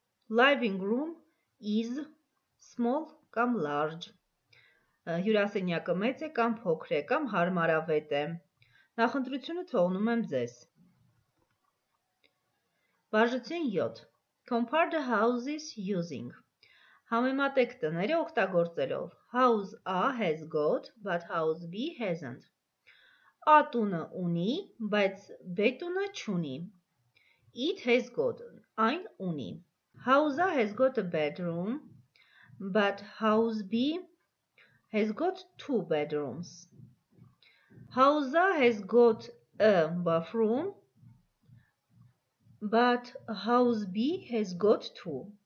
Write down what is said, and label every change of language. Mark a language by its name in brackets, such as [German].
[English] Living room is small կամ large. [Armenian] Հյուրասենյակը մեծ է կամ փոքր է կամ հարմարավետ է. Նախընտրությունը թողնում եմ ձեզ. Բաժություն 7. [English] Compare the houses using. [Armenian] Համեմատեք տները օգտագործելով. [English] House A has got, but house B hasn't. [Armenian] A տունը ունի, բայց B տունը չունի. [English] It has got, [Armenian] այն ունի. [English] House A has got a bedroom, but house B has got two bedrooms. House A has got a bathroom, but house B has got two.